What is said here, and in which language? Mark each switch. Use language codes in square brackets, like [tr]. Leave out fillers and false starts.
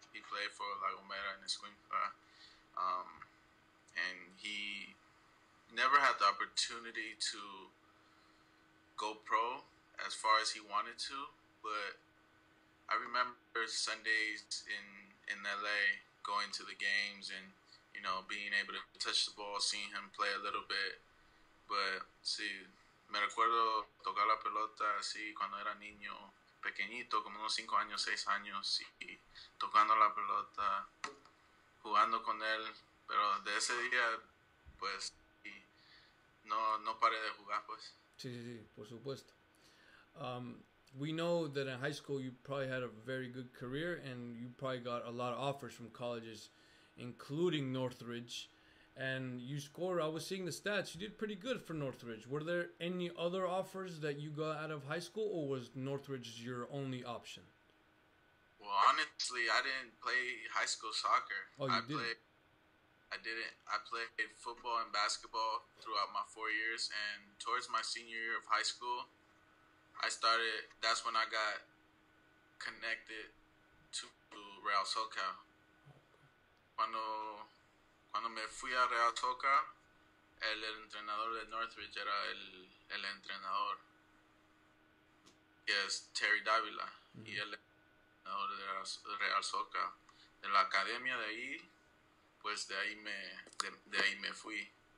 [en] He played for La Gomera and Escuinca. And he never had the opportunity to go pro as far as he wanted to. But I remember Sundays in L.A. going to the games and, you know, being able to touch the ball, seeing him play a little bit. But, [es] sí, me recuerdo tocar la pelota así cuando era niño, pequeñito, como unos 5 años, 6 años, y tocando la pelota, jugando con él. Pero de ese día, pues, no paré de jugar, pues. Sí, por supuesto. [en] We know that in high school you probably had a very good career and you probably got a lot of offers from colleges, including Northridge. And you scored, I was seeing the stats, you did pretty good for Northridge. Were there any other offers that you got out of high school, or was Northridge your only option? Well, honestly, I didn't play high school soccer. Oh, you did? I played football and basketball throughout my 4 years, and towards my senior year of high school, that's when I got connected to Real SoCal. [es] Cuando me fui a Real SoCal, el entrenador de Northridge era el entrenador. [en] Yes, [es] Terry Davila. Mm-hmm. Y el entrenador de Real SoCal. De la academia de ahí, pues de ahí me fui.